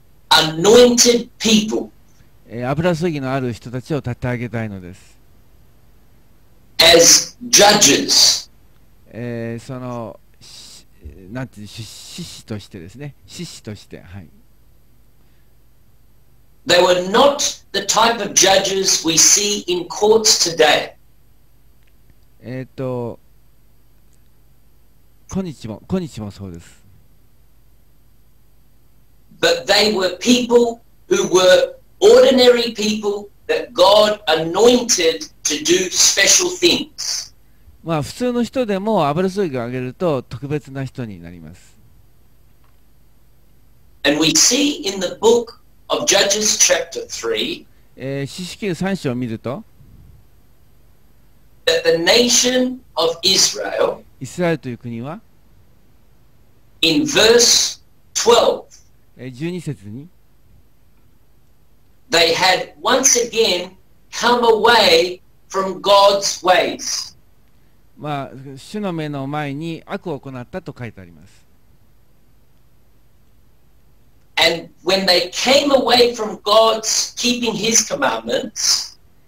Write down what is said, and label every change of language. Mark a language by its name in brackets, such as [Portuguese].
[English] Anointed people. [Japanese] 油注ぎのある人たちを立て上げたいのです。 [English] As judges. [Japanese] その、なんていう、獅子としてですね。獅子として、はい。 [English] They were not the type of judges we see in courts today. [Japanese] 今日もそうです。 [English] But they were people who were ordinary people that God anointed to do special things. [Japanese] まあ普通の人でも油注ぎをあげると特別な人になります。 [English] And we see in the book of Judges chapter 3, [Japanese] 詩式の3章を見ると、 [English] that the nation of Israel, [Japanese] イスラエルという国は、 [English] in verse 12, [Japanese] 12節に [English] They had once again come away from God's ways. [Japanese] まあ、主の目の前に悪を行ったと書いてあります。 [English] And when they came away from God's keeping His commandments,